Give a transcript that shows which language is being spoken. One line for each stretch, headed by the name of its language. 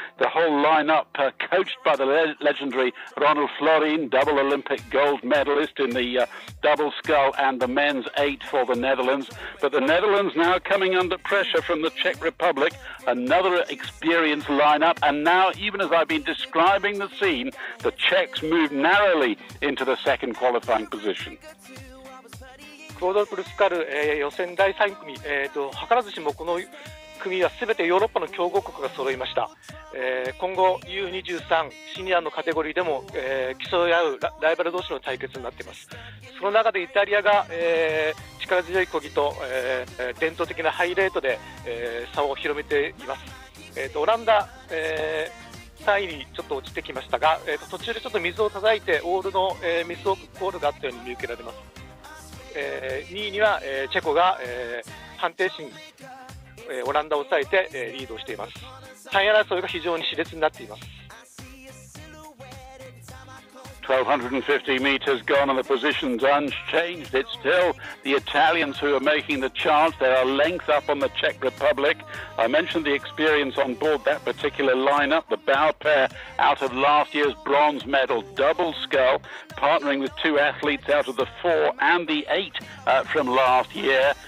English: The whole lineup coached by the legendary Ronald Florin, double Olympic gold medalist in the double scull and the men's eight for the Netherlands. But the Netherlands now coming under pressure from the Czech Republic, another experienced lineup. And now, even as I've been describing the scene, the Czechs move narrowly into the second qualifying position.
Japanese: クオドルプルスカル、予選第3組、図らずしもこの組は全てヨーロッパの強豪国が揃いました、今後 U23 シニアのカテゴリーでも、競い合う ライバル同士の対決になっています。その中でイタリアが、力強い漕ぎと、伝統的なハイレートで、差を広めています。オランダ、3位にちょっと落ちてきましたが、途中でちょっと水を叩いてオールの、ミスオールがあったように見受けられます。 2位には、チェコが、判定審、オランダを抑えて、リードしています。 3位争いが非常に熾烈になっています。
English: 1,250 metres gone and the position's unchanged. It's still the Italians who are making the charge. They are length up on the Czech Republic. I mentioned the experience on board that particular lineup, the bow pair out of last year's bronze medal double scull, partnering with two athletes out of the four and the eight from last year.